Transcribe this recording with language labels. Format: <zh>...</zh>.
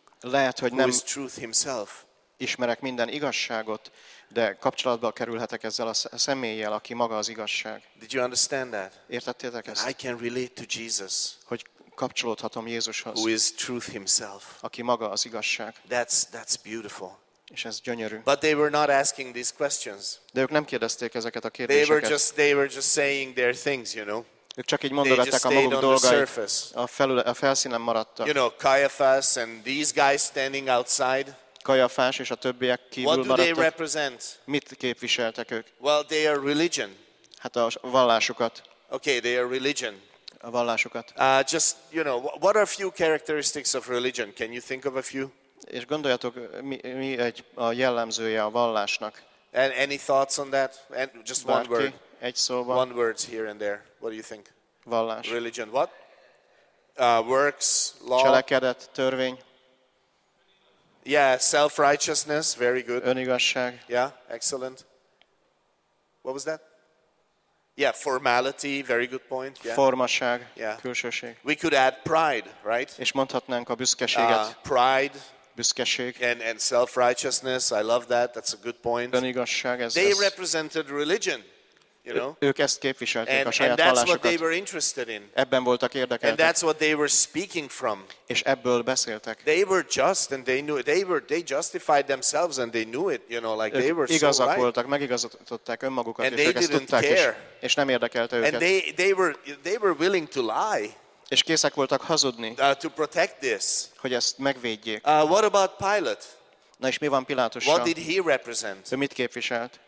<hu>Lehet, hogy nem</hu> <en>who is truth himself.</en> <hu>Ismerek minden igazságot, de kapcsolatba kerülhetek ezzel a személlyel, aki maga az igazság.</hu> <en>Did you understand that?</en> <hu>Értettétek ezt?</hu> <en>I can relate to Jesus.</en> <hu>Hogy kapcsolódhatom Jézushoz.</hu> <en>Who is truth himself.</en> <hu>Aki maga az igazság.</hu> <en>That's beautiful.</en> <hu>És ez gyönyörű.</hu> <en>But they were not asking these questions.</en> <hu>De ők nem kérdezték ezeket a kérdéseket.</hu> <en>They were just saying their things, you know.</en> <hu>Ők csak így mondogatták a maguk dolgait. A felszínen maradtak.</hu> <en>You know, Caiaphas and these guys standing outside.</en> <hu>Caiaphas és a többiek kívül maradtak.</hu> <en>What do they represent?</en> <hu>Mit képviseltek ők?</hu> <en>Well, they are religion.</en> <hu>Hát a vallásukat.</hu> <en>Okay, they are religion.</en> <hu>A vallásukat.</hu> <en>Just, you know, what are a few characteristics of religion? Can you think of a few?</en> <hu>És gondoljatok, mi egy a jellemzője a vallásnak?</hu> <en>Any thoughts on that? Just one word.</en> <hu>Egy szóban.</hu> <en>One word here and there. What do you think?</en> <hu>Vallás.</hu> <en>Religion. What? Works. Law.</en> <hu>Cselekedet, törvény.</hu> <en>Yeah, self-righteousness. Very good.</en> <hu>Önigazság.</hu> <en>Yeah, excellent. What was that? Yeah, formality. Very good point. Yeah.</en> <hu>Formaság.</hu> <en>Yeah.</en> <hu>Külsőség.</hu> <en>We could add pride, right?</en> <hu>És mondhatnánk a büszkeséget.</hu> <en>Pride.</en> <hu>Büszkeség.</hu> <en>And self-righteousness, I love that, that's a good point.</en> <hu>Önigazság, ez</hu> <en>they represented religion, you know.</en> <hu>Ők ezt képviselték a saját vallásukat.</hu> <en>And that's what they were interested in.</en> <hu>Ebben voltak érdekeltek.</hu> <en>And that's what they were speaking from.</en> <hu>És ebből beszéltek.</hu> <en>They were just and they knew it. They justified themselves and they knew it, you know, like they were so right.</en> <hu>Igazak voltak, megigazították önmagukat,</hu> <en>and they didn't care.</en> <hu>És nem érdekelte őket.</hu> <en>And they were willing to lie.</en> <hu>És készek voltak hazudni,</hu> <en>to protect this.</en> <hu>Hogy ezt megvédjék.</hu> <en>What about Pilate?</en> <hu>Na és mi van Pilátussal?</hu> <en>What did he represent?</en> <hu>Ő mit képviselt?</hu>